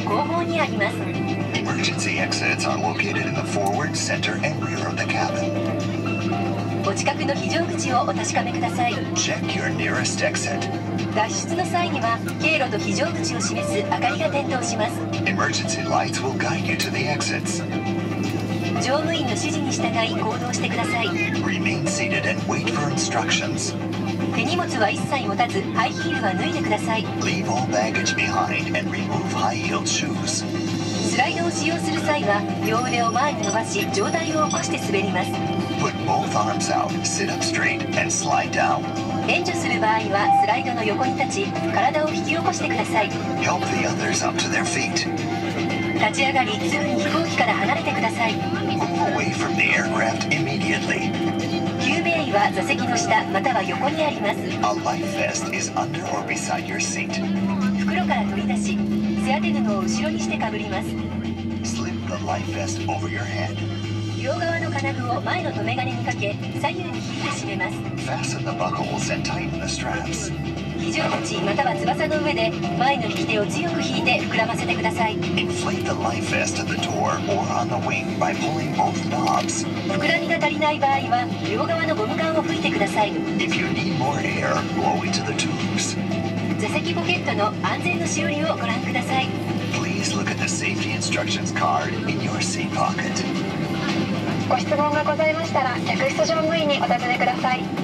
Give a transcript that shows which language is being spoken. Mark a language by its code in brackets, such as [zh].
[en] Emergency exits are located in the forward, center, and rear of the cabin. [ja] お近くの非常口をお確かめください。 [en] Check your nearest exit. [ja] 脱出の際には経路と非常口を示す明かりが点灯します。 [en] Emergency lights will guide you to the exits. [ja] 乗務員の指示に従い行動してください。 [en] Remain seated and wait for instructions. [ja] 手荷物は一切持たず、ハイヒールは脱いでください。 [en] Leave all baggage behind and remove high-heeled shoes. [ja] スライドを使用する際は、両腕を前に伸ばし、上体を起こして滑ります。 [en] Put both arms out, sit up straight, and slide down. [ja] 援助する場合は、スライドの横に立ち、体を引き起こしてください。 [en] Help the others up to their feet. [ja] 立ち上がり、すぐに飛行機から離れてください。 [en] Move away from the aircraft immediately. [ja] は座席の下または横にあります。 [en] A life vest is under or beside your seat. [ja] 袋から取り出し、背当て布を後ろにしてかぶります。 [en] Slip the life vest over your head. [ja] 両側の金具を前の留め金にかけ、左右に引いて締めます。 [en] Fasten the buckles and tighten the straps. [ja] 基準位置または翼の上で前の引き手を強く引いて膨らませてください。膨らみが足りない場合は両側のゴム管を吹いてください。 [en] If you need more air, blow into the tubes. [ja] 座席ポケットの安全のしおりをご覧ください。 [en] Please look at the safety instructions card in your seat pocket. [ja] ご質問がございましたら客室乗務員にお尋ねください。